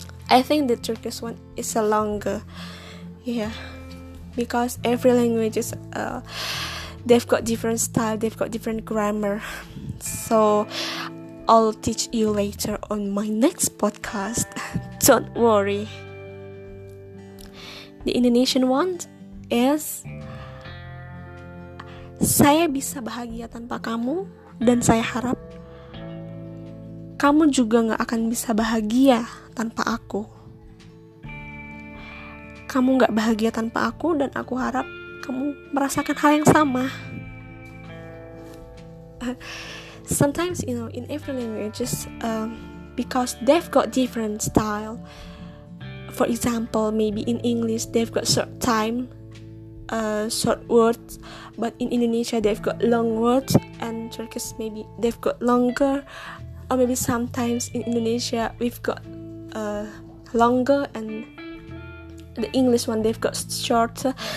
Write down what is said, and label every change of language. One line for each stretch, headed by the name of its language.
English: I think the Turkish one is a longer, yeah, because every language is, they've got different style, they've got different grammar. So I'll teach you later on my next podcast. Don't worry. The Indonesian one is,
Indonesian: saya bisa bahagia tanpa kamu, dan saya harap kamu juga gak akan bisa bahagia tanpa aku. Kamu gak bahagia tanpa aku, dan aku harap kamu merasakan hal yang sama.
English: Sometimes, you know, in every language, because they've got different style. For example, maybe in English they've got short time, short words, but in Indonesia they've got long words, and Turkish maybe they've got longer, or maybe sometimes in Indonesia we've got longer, and the English one they've got shorter.